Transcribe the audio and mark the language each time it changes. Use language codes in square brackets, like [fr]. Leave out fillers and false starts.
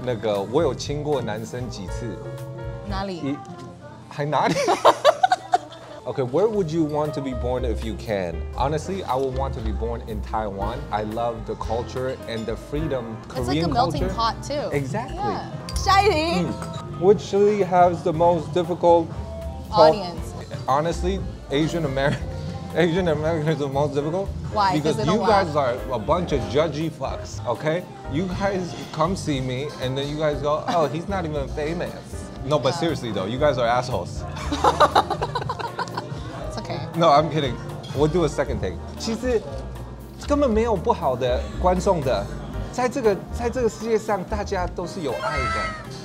[zh] 那个我有亲过男生几次。哪里？还哪里？ [en] Okay, where would you want to be born if you can? Honestly, I would want to be born in Taiwan. I love the culture and the freedom. It's Korean like a culture. Melting pot too. Exactly. Yeah. Shiny. Which city has the most difficult audience? Honestly, Asian American is the most difficult. Why? Because you guys are a bunch of judgy fucks. Okay, you guys come see me, and then you guys go, oh, he's not even famous. No, but seriously though, you guys are assholes. It's okay. No, I'm kidding. we'll do a second take. [zh] 其实根本没有不好的观众的，在这个世界上，大家都是有爱的。